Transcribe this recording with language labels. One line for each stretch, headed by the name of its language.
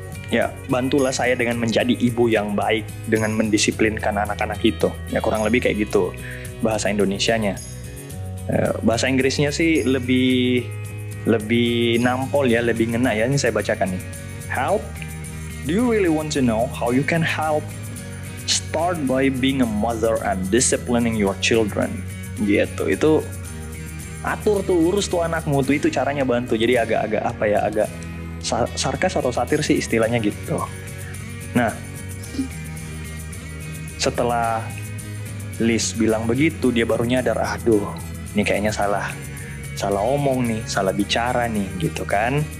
Indonesian: Ya, bantulah saya dengan menjadi ibu yang baik, dengan mendisiplinkan anak-anak itu. Ya, kurang lebih kayak gitu bahasa Indonesianya. Bahasa Inggrisnya sih lebih nampol ya, lebih ngena ya. Ini saya bacakan nih.
English: Help? Do you really want to know how you can help? Start by being a mother and disciplining your children.
Indonesian: Gitu, itu atur tuh, urus tuh anakmu tuh, itu caranya bantu. Jadi agak-agak apa ya, agak sarkas atau satir sih istilahnya gitu. Nah, setelah Liz bilang begitu, dia baru nyadar, aduh, ini kayaknya salah omong nih, salah bicara nih, gitu kan.